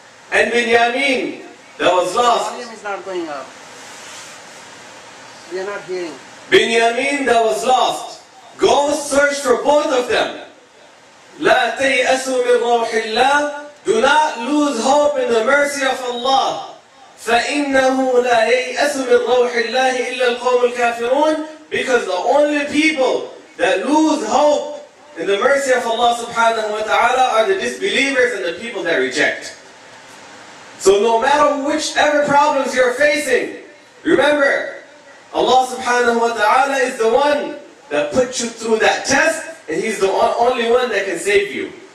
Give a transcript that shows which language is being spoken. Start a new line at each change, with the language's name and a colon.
English: And Binyamin, that was lost." The volume is not going up. We are not hearing. Binyamin, that was lost. Go search for both of them.
Arabic: لا تيأسوا من روح الله.
English: Do not lose hope in the mercy of Allah.
Arabic: فإنه لا ييأسوا من روح الله إلا القوم الكافرون.
English: Because the only people that lose hope in the mercy of Allah subhanahu wa ta'ala are the disbelievers and the people that reject. So no matter whichever problems you're facing, remember, Allah subhanahu wa ta'ala is the one that put you through that test, and He's the only one that can save you.